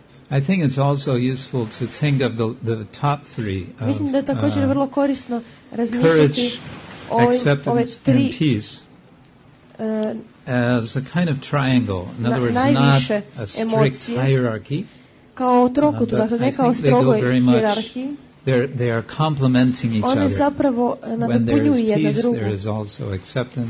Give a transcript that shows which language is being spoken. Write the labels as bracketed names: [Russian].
[English] I think it's also useful to think of the top three of [Croatian] mislim da također vrlo korisno razmišljati [English] courage, acceptance, and peace as a kind of triangle. In other words, not a strict hierarchy. [Croatian] Kao trokutu, dakle ne kao strogoj hierarhiji. [English] They are complementing each one other. When there is peace, there is also acceptance.